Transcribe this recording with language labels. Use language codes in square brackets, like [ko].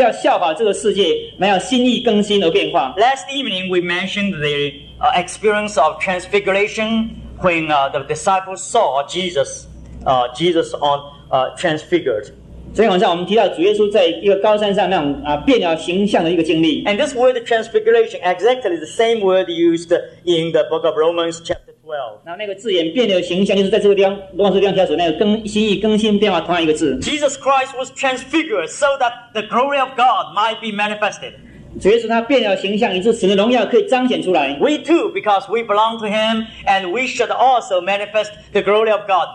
[zh] 就像我们刚刚读到罗马书那边提到说，我们不要效法这个世界，没有心意更新而变化。 [en] Last evening we mentioned the experience of transfiguration when the disciples saw Jesus on transfigured. [zh] 昨天晚上我们提到主耶稣在一个高山上那种变了形象的一个经历。 [en] And this word transfiguration, exactly the same word used in the book of Romans chapter 12. [zh] 然后那个字眼变了形象，就是在这个地方，罗马书地方提到说那个新意更新变化，同样一个字。 [en] Jesus Christ was transfigured so that the glory of God might be manifested. [zh] 主耶稣他变了形象，以致神的荣耀可以彰显出来。 [en] We too, because we belong to Him, and we should also manifest the glory of God.